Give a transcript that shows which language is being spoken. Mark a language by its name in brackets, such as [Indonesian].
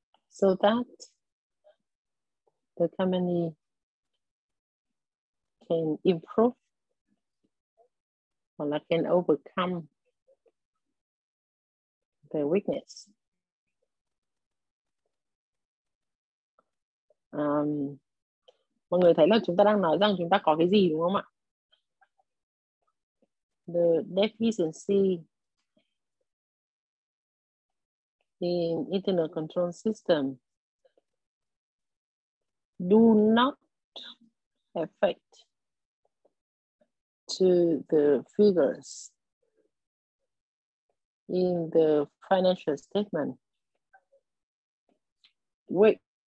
[English] so that the company can improve or like can overcome the weakness. [Vietnamese] Mọi người thấy là chúng ta đang nói rằng chúng ta có cái gì đúng không ạ? [English] The deficiency in internal control system do not affect to the figures in the financial statement, which